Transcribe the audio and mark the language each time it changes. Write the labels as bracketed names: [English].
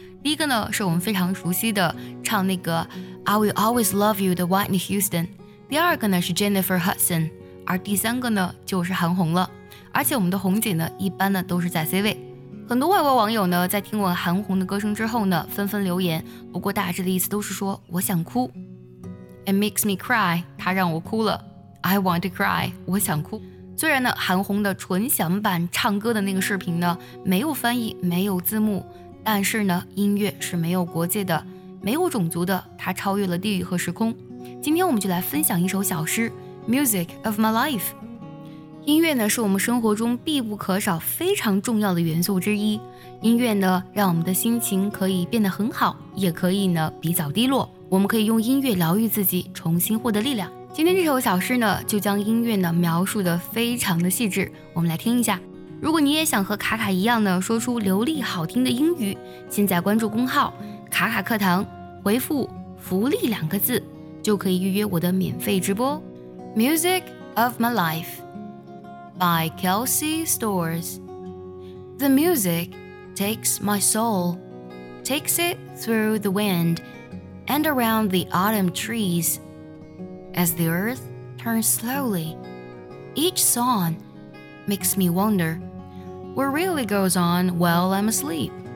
[Chinese] 第一个呢，是我们非常熟悉的唱那个 I will always love you 的 Whitney Houston。第二个呢，是 Jennifer Hudson。而第三个呢，就是韩红了。而且我们的红姐呢，一般呢都是在 C 位。很多外国网友呢，在听完韩红的歌声之后呢，纷纷留言，不过大致的意思都是说我想哭。 [English] It makes me cry， [Chinese] 她让我哭了。 [English] I want to cry， [Chinese] 我想哭。虽然呢，韩红的纯享版唱歌的那个视频呢，没有翻译，没有字幕，但是呢，音乐是没有国界的，没有种族的，它超越了地域和时空。今天我们就来分享一首小诗 Music of my life。音乐呢，是我们生活中必不可少非常重要的元素之一。音乐呢，让我们的心情可以变得很好，也可以呢比较低落。我们可以用音乐疗愈自己，重新获得力量。今天这首小诗呢，就将音乐呢描述得非常的细致，我们来听一下。如果你也想和卡卡一样呢，说出流利好听的英语，现在关注公号卡卡课堂，回复福利两个字，就可以预约我的免费直播。 [English] Music of my life by Kelsey Storrs. The music takes my soul, takes it through the wind and around the autumn treesAs the earth turns slowly, each song makes me wonder what really goes on while I'm asleep.